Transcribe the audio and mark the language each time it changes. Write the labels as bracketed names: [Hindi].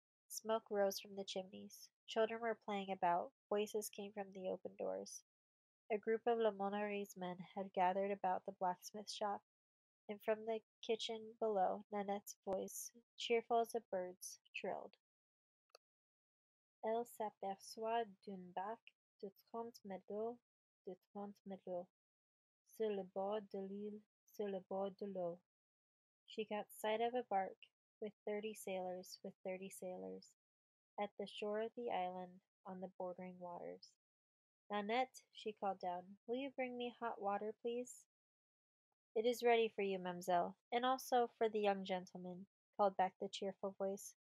[English] Smoke rose from the chimneys. Children were playing about. Voices came from the open doors. A group of La Monnerie's men had gathered about the blacksmith shop, and from the kitchen below, Nanette's voice, cheerful as a bird's, trilled. [French] "Elle s'aperçoit d'un bac de 30 mètres, de 30 mètres, sur le bord de l'île, sur le bord de l'eau." [English] She got sight of a bark with 30 sailors, with 30 sailors, at the shore of the island on the bordering waters. "Nanette," she called down, "will you bring me hot water, please?" "It is ready for you, mademoiselle, and also for the young gentleman," called back the cheerful voice.